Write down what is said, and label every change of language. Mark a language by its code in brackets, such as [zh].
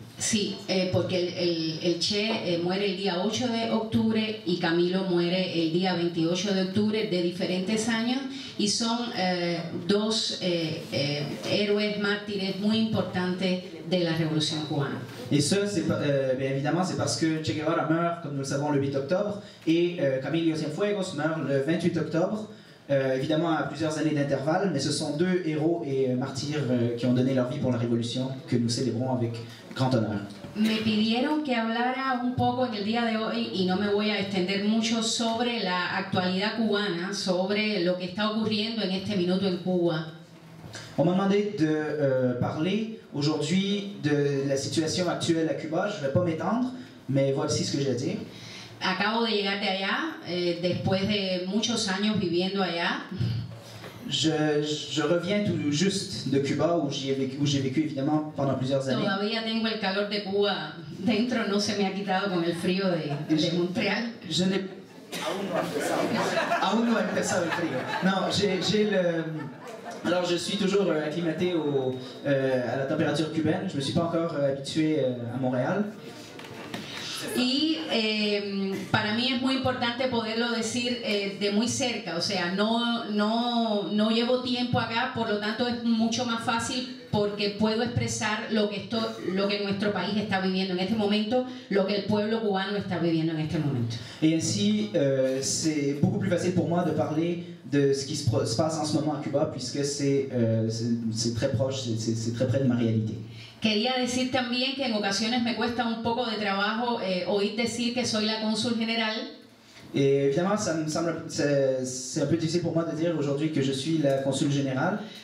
[es] Sí, porque el Che muere el día 8 de octubre y Camilo muere el día 28 de octubre de diferentes años y son dos héroes mártires muy importantes de la Revolución Cubana. [fr] Et ça, bien évidemment, c'est parce que Che Guevara meurt, comme nous le savons, le 8 octobre et Camilo Cienfuegos meurt le 28 octobre, évidemment à plusieurs années d'intervalle, mais ce sont deux héros et martyrs qui ont donné leur vie pour la Révolution que nous célébrons avec [es] me pidieron que hablara un poco en el día de hoy y no me voy a extender mucho sobre la actualidad cubana, sobre lo que está ocurriendo en este minuto en Cuba. [fr] On m'a demandé de parler aujourd'hui de la situation actuelle à Cuba. Je ne vais pas m'étendre, mais voici ce que j'ai à dire. [es] Acabo de llegar de allá después de muchos años viviendo allá. [fr] Je reviens tout juste de Cuba où j'ai vécu évidemment pendant plusieurs années. [es] Todavía tengo el calor de Cuba dentro, no se me ha quitado con el frío de Montreal. [fr] Je n'ai [es] aún no ha empezado el frío. [fr] Non, alors je suis toujours acclimaté à la température cubaine. Je me suis pas encore habitué à Montréal. [es] Y para mí es muy importante poderlo decir de muy cerca, o sea, no llevo tiempo acá, por lo tanto es mucho más fácil porque puedo expresar lo que nuestro país está viviendo en este momento, lo que el pueblo cubano está viviendo en este momento. Y así, [fr] c'est beaucoup plus facile pour moi de parler de ce qui se passe en ce moment à Cuba, puisque c'est très proche, c'est très près de ma réalité. [es] Quería decir también que en ocasiones me cuesta un poco de trabajo oír decir que soy la cónsul general. [fr] Et évidemment, ça me semble, c'est un peu difficile pour moi de dire aujourd'hui que je suis la cónsul general.